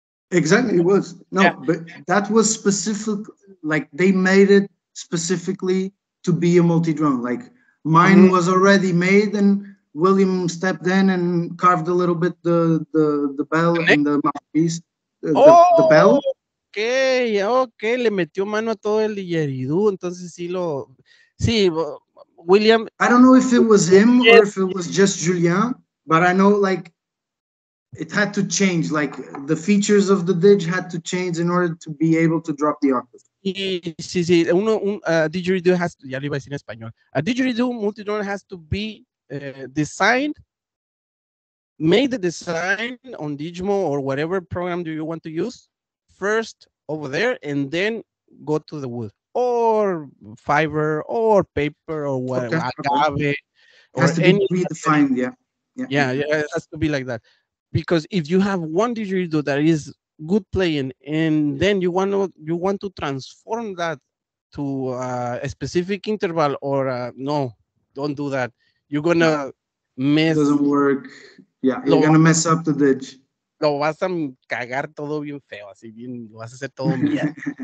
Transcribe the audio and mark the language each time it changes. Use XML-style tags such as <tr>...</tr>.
<en>Exactly, it was. No, yeah. But that was specific, like they made it specifically to be a multi-drone. Like mine was already made and William stepped in and carved a little bit the bell and the mouthpiece. The bell. Okay, okay,</en> <es>le metió mano a todo el didgeridoo, entonces sí lo, sí, William.</es> <en>I don't know if it was him or if it was just Julian, but I know, like, it had to change, like, the features of the didge had to change in order to be able to drop the octave.</en> <es>Sí, sí,</es> <en>didgeridoo has,</en> <es>ya lo iba a decir en español,</es> <en>a didgeridoo multidrone has to be designed, made the design on Digimo or whatever program do you want to use. First over there and then go to the wood or fiber or paper or whatever. Okay. Agave, has or to be any, redefined, yeah, it has to be like that. Because if you have one didgeridoo that is good playing and then you want to transform that to a specific interval or no, don't do that. You're gonna mess. Doesn't work. Yeah, you're gonna mess up the didge.</en> <es>Lo vas a cagar todo bien feo, así bien, lo vas a hacer todo bien.</es>